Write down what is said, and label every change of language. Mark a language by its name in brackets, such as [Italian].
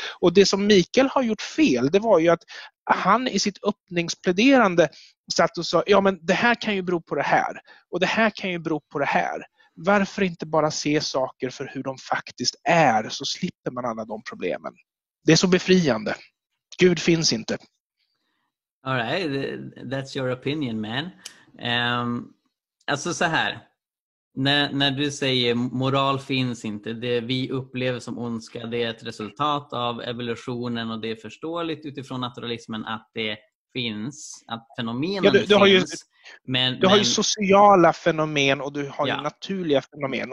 [Swedish] Och det som Mikael har gjort fel, det var ju att han i sitt öppningspläderande satt och sa, ja men det här kan ju bero på det här och det här kan ju bero på det här. Varför inte bara se saker för hur de faktiskt är, så slipper man alla de problemen. Det är så befriande. Gud finns inte. [English] All right, that's your opinion, man. [Swedish] Alltså så här, när du säger moral finns inte, det vi upplever som ondska, det är ett resultat av evolutionen och det är förståeligt utifrån naturalismen att det finns, att fenomenen du har ju sociala fenomen och du har ju naturliga fenomen.